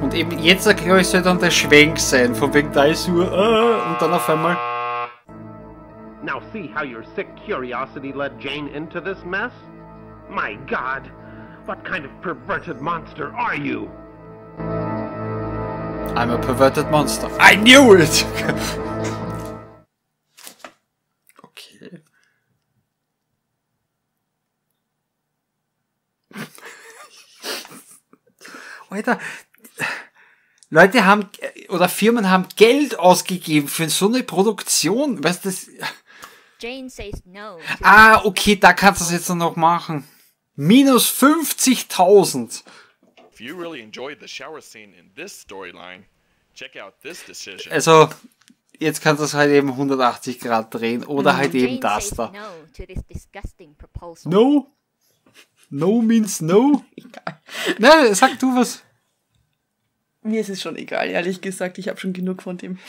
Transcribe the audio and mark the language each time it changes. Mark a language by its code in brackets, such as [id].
[de] Und eben jetzt, glaube ich, soll dann der Schwenk sein, von wegen da ist nur, und dann auf einmal. [en] Now see how your sick curiosity led Jane into this mess? My God, what kind of perverted monster are you? I'm a perverted monster. I knew it! Okay. [de] Alter. Leute haben, oder Firmen haben Geld ausgegeben für so eine Produktion, weißt du? [en] Jane says no. [de] Ah, okay, da kannst du es jetzt noch machen. Minus 50.000. [en] If you really enjoyed the shower scene in this storyline, check out this decision. [de] Also, jetzt kannst du es halt eben 180 Grad drehen, oder halt Jane eben das da. [en] No, to this disgusting proposal. No? No means no? [de] Nein, sag du was. Mir ist es schon egal, ehrlich gesagt. Ich habe schon genug von dem.